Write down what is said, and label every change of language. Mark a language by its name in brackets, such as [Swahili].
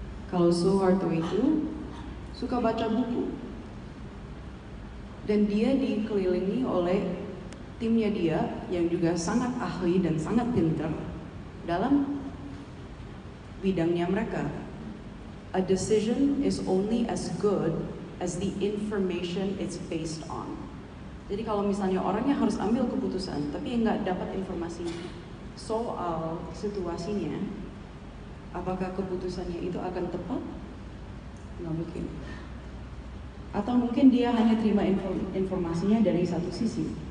[Indonesian] Kalau Suharto itu suka baca buku. Dan dia dikelilingi oleh timnya dia yang juga sangat ahli dan sangat pintar dalam bidangnya mereka. [English] A decision is only as good as the information it's based on. [Indonesian] Jadi kalau misalnya orangnya harus ambil keputusan, tapi nggak dapat informasi soal situasinya, apakah keputusannya itu akan tepat? Nggak mungkin. Atau mungkin dia hanya terima informasinya dari satu sisi.